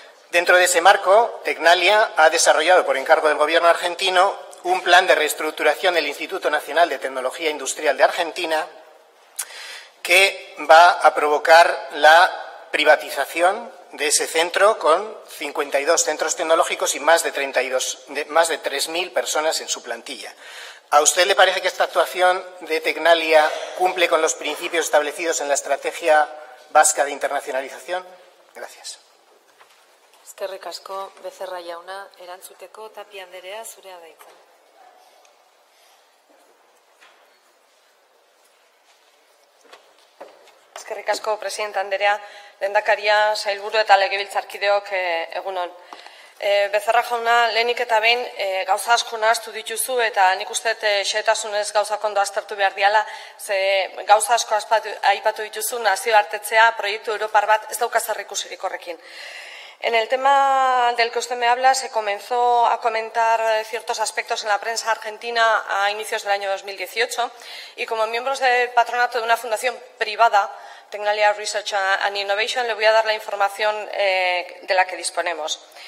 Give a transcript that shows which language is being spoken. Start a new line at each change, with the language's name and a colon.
Spanish: Dentro de ese marco, Tecnalia ha desarrollado, por encargo del Gobierno argentino, un plan de reestructuración del Instituto Nacional de Tecnología Industrial de Argentina que va a provocar la privatización de ese centro con 52 centros tecnológicos y más de 3.000 personas en su plantilla. ¿A usted le parece que esta actuación de Tecnalia cumple con los principios establecidos en la Estrategia Vasca de Internacionalización? Gracias.
Basque: Eskerrik asko, Becerra jauna, erantzuteko Tapia Andrea zurea da hitza. Eskerrik asko, presidente Andrea, lehendakaria, sailburu eta legebiltzarkideok egunon. Becerra jauna, lehenik eta behin gauza asko nahaztu dituzu eta nik uste xehetasunez gauzak ondo aztertu behar diala, ze gauza asko aipatu dituzu nazioartetzea proiektu europar bat ez dauka zer ikusirik horrekin.
Spanish: En el tema del que usted me habla, se comenzó a comentar ciertos aspectos en la prensa argentina a inicios del año 2018 y como miembros del patronato de una fundación privada, Tecnalia Research and Innovation, le voy a dar la información de la que disponemos.